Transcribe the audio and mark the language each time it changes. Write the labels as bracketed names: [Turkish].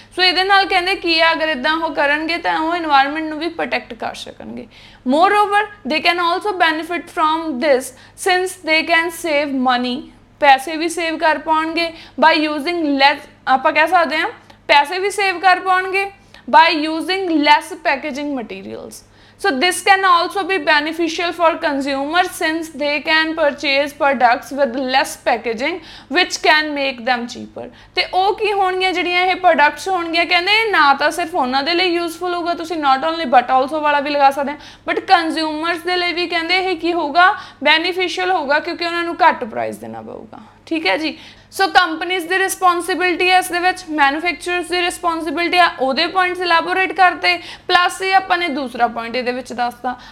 [Punjabi] ਸੋ ਇਹਦੇ ਨਾਲ ਕਹਿੰਦੇ ਕੀ ਆ, ਅਗਰ ਇੱਦਾਂ ਉਹ ਕਰਨਗੇ ਤਾਂ ਉਹ ਇਨਵਾਇਰਮੈਂਟ ਨੂੰ ਵੀ ਪ੍ਰੋਟੈਕਟ ਕਰ ਸਕਣਗੇ। [English] more over they can also benefit from this since they can save money, [Punjabi] ਪੈਸੇ ਵੀ ਸੇਵ ਕਰ ਪਾਉਣਗੇ [English] by using less, [Punjabi] ਆਪਾਂ ਕਹਿ ਸਕਦੇ ਹਾਂ ਪੈਸੇ ਵੀ ਸੇਵ ਕਰ ਪਾਉਣਗੇ [English] By using less packaging materials. So this can also be beneficial for consumers since they can purchase products with less packaging which can make them cheaper. [Punjabi] ਤੇ ਉਹ ਕੀ ਹੋਣਗੀਆਂ ਜਿਹੜੀਆਂ ਇਹ ਪ੍ਰੋਡਕਟਸ ਹੋਣਗੀਆਂ ਕਹਿੰਦੇ ਨਾ ਤਾਂ ਸਿਰਫ ਉਹਨਾਂ ਦੇ ਲਈ ਯੂਜ਼ਫੁਲ ਹੋਊਗਾ, ਤੁਸੀਂ [English] not only but also [Punjabi] ਵਾਲਾ ਵੀ ਲਗਾ ਸਕਦੇ ਹੋ, ਬਟ ਕੰਜ਼ਿਊਮਰਸ ਦੇ ਲਈ ਵੀ ਕਹਿੰਦੇ ਇਹ ਕੀ ਹੋਊਗਾ, ਬੈਨੀਫਿਸ਼ੀਅਲ ਹੋਊਗਾ ਕਿਉਂਕਿ ਉਹਨਾਂ ਨੂੰ ਘੱਟ ਪ੍ਰਾਈਸ ਦੇਣਾ ਪਊਗਾ. ਠੀਕ ਹੈ ਜੀ. ਸੋ ਕੰਪਨੀਜ਼ ਦੀ ਰਿਸਪੋਂਸੀਬਿਲਟੀ ਹੈ ਇਸ ਦੇ ਵਿੱਚ, ਮੈਨੂਫੈਕਚਰਰਸ ਦੀ ਰਿਸਪੋਂਸੀਬਿਲਟੀ ਆ, ਉਹਦੇ ਪੁਆਇੰਟਸ ਇਲੈਬੋਰੇਟ ਕਰਤੇ, ਪਲੱਸ ਇਹ ਆਪਾਂ ਨੇ ਦੂਸਰਾ ਪੁਆਇੰਟ ਇਹਦੇ ਵਿੱਚ ਦੱਸਤਾ.